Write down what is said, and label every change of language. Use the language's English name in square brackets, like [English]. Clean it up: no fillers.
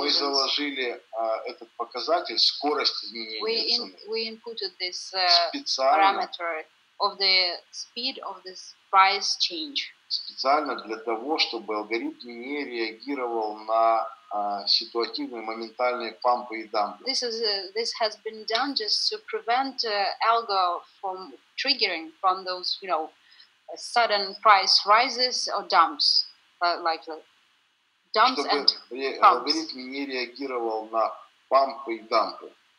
[Russian] Мы заложили этот показатель, скорость изменения [English] we [Russian] цены. [English] We inputted this parameter of the speed of this price change. [Russian] Специально для того, чтобы алгоритм не реагировал на ситуативные моментальные пампы и дампы. [English] This has been done just to prevent algo from triggering from those, you know, sudden price rises or dumps, like the dumps and pumps. [Russian] Чтобы алгоритм не реагировал на пампы и дампы.